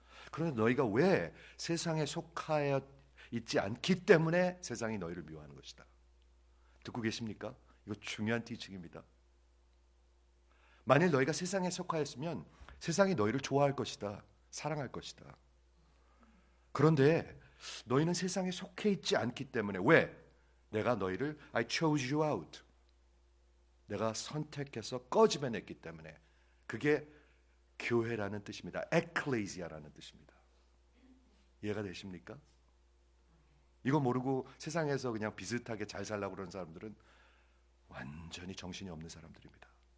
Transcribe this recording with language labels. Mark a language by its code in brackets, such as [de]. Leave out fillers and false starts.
[ko] 그런데 너희가 왜 세상에 속하여 있지 않기 때문에 세상이 너희를 미워하는 것이다. 듣고 계십니까? 이거 중요한 티칭입니다. 만일 너희가 세상에 속하였으면 세상이 너희를 좋아할 것이다. 사랑할 것이다. 그런데 너희는 세상에 속해 있지 않기 때문에 왜? 내가 너희를 [en] I chose you out. [ko] 내가 선택해서 꺼집어냈기 때문에 그게 교회라는 뜻입니다. Ecclesia라는 뜻입니다. 이해가 되십니까? 이거 모르고 세상에서 그냥 비슷하게 잘 살라고 그러는 사람들은 완전히 정신이 없는 사람들입니다.